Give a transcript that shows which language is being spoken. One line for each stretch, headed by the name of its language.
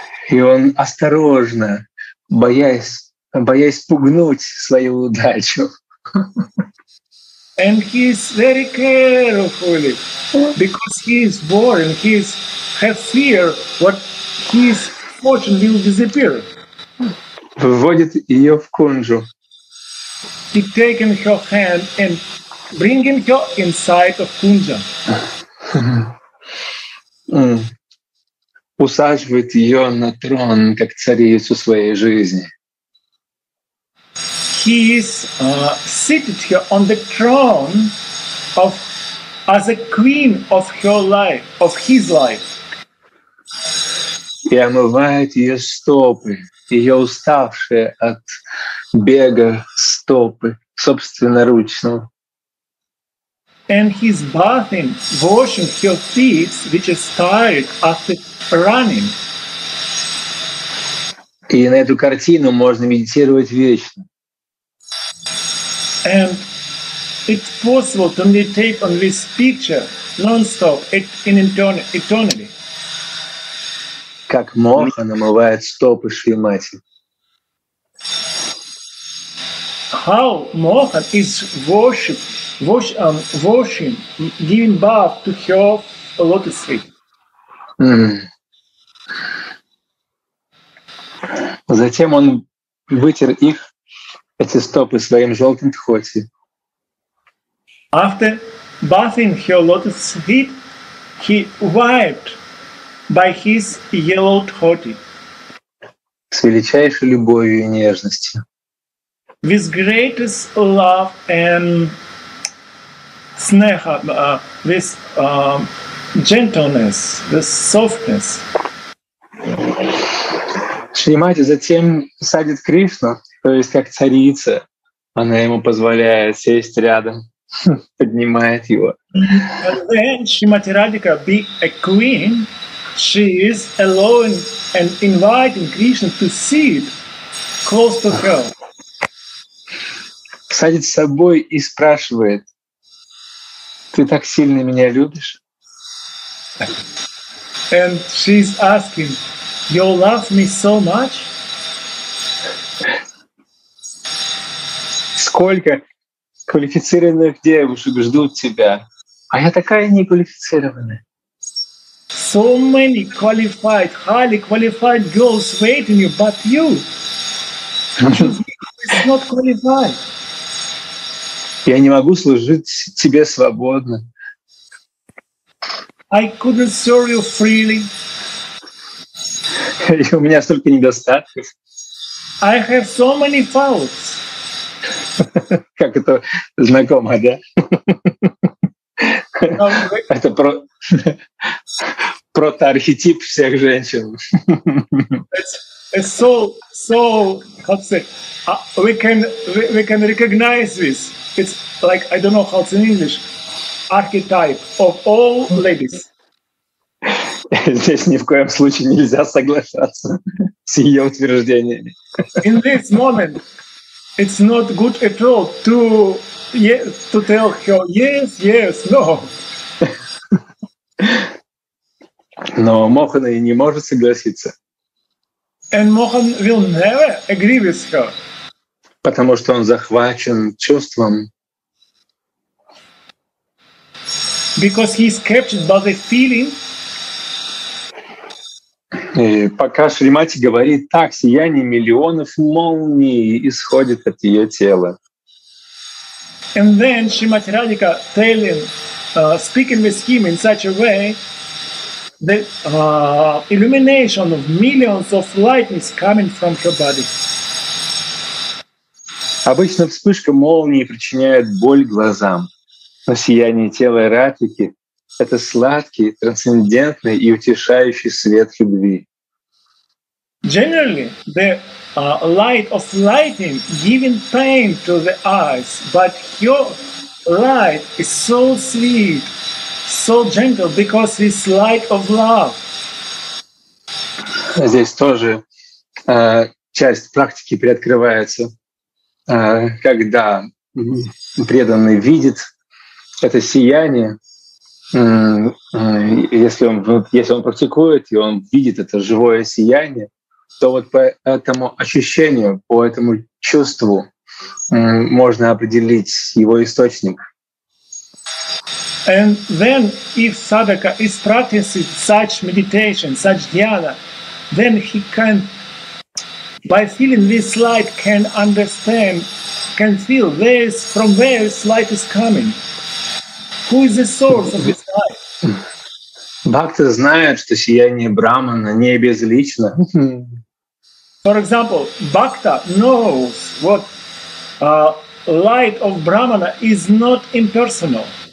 Russian: И он осторожно, боясь пугнуть свою удачу.
English: And he is very careful because he is boring, he is have fear what his fortune will disappear.
Russian: Вводит ее в кунжу.
English: He taken her hand and bringing her inside of kunja.
Russian: Усаживает ее на трон как царицу своей жизни.
English: He is seated here on the throne of as a queen of her life, of his life.
Russian: И омывает ее стопы, ее уставшие от бега стопы собственноручно.
English: and he's bathing, washing her feet, which is tired after running.
Russian: И на эту картину можно медитировать вечно.
English: And it's possible to meditate on this picture non-stop, in eternity.
Russian: Как моха намывает стопы Шримати.
English: How moha is washing, giving bath to her lotus feet.
Russian: Затем он вытер их, эти стопы, своим желтым тхоти.
English: After bathing her lotus feet, he wiped by his yellow tchoti.
Russian: С величайшей любовью и нежностью.
English: With greatest love and sneha, with gentleness, with softness.
Russian: Шримати затем садит Кришну, то есть как царица, она ему позволяет сесть рядом, поднимает его.
English: And then Shrimati Radhika, be a queen, she is allowing and inviting Krishna to sit close to her.
Russian: Садит с собой и спрашивает, ты так сильно меня любишь?
English: And she's asking, you love me so much?
Russian: Сколько квалифицированных девушек ждут тебя? А я такая неквалифицированная.
English: So many qualified, highly qualified girls waiting you, but you. You're not qualified.
Russian: Я не могу служить тебе свободно.
English: I couldn't serve you freely.
Russian: У меня столько недостатков.
English: I have so many faults.
Russian: Как это знакомо, да? Это протоархетип всех женщин.
English: It's so, so, how to say, we can recognize this. It's like, I don't know how it's in English, archetype of all ladies.
Russian: Здесь ни в коем случае нельзя соглашаться с ее утверждениями.
English: In this moment, it's not good at all to tell her, yes, yes, no.
Russian: Но Мохана и не может согласиться.
English: And Mohan will never agree with her.
Russian: Потому что он захвачен чувством.
English: Because he is captured by the feeling.
Russian: И пока Шримати говорит так, сияние миллионов молний исходит от ее тела.
English: And then Shrimati Radhika telling, speaking with him in such a way. The illumination of millions of lightnings coming from her body.
Russian: Обычно вспышка молнии причиняет боль глазам, но сияние тела Радхики — это сладкий, трансцендентный и утешающий свет любви.
English: Generally, the light of lightning giving pain to the eyes, but her light is so sweet. So gentle, because it's light of love.
Russian: Здесь тоже часть практики приоткрывается, когда преданный видит это сияние, если он практикует, и он видит это живое сияние, то вот по этому ощущению, по этому чувству можно определить его источник.
English: And then, if sadhaka is practicing such meditation, such dhyana, then he can, by feeling this light, can understand, can feel from where this light is coming. Who is the source of this light?
Russian: Бхакта знает, что сияние Брахмана не безлично.
English: For example, Бхакта knows what light of Brahmana is not impersonal.